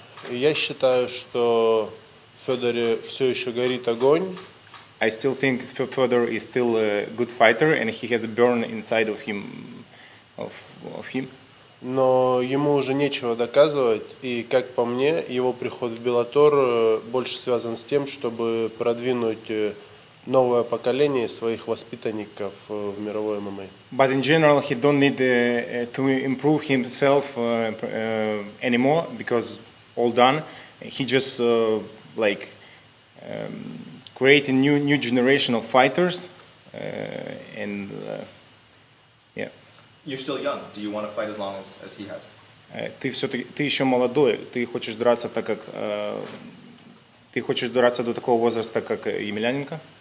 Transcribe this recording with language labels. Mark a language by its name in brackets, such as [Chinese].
[Russian] Я считаю, что в Федоре все еще горит огонь. [English] I still think Fedor is still a good fighter, and he had a burn inside of him. [Russian] Но ему уже нечего доказывать, и, как по мне, его приход в Bellator больше связан с тем, чтобы продвинуть новое поколение своих воспитанников в мировой ММА. [English] But in general, he don't need to improve himself anymore, because all done. He just like create a new generation of fighters, and You're still young. Do you want to fight as long as he has? [Russian] Ты еще молодой. Ты хочешь драться так как ты хочешь драться до такого возраста как Емельяненко?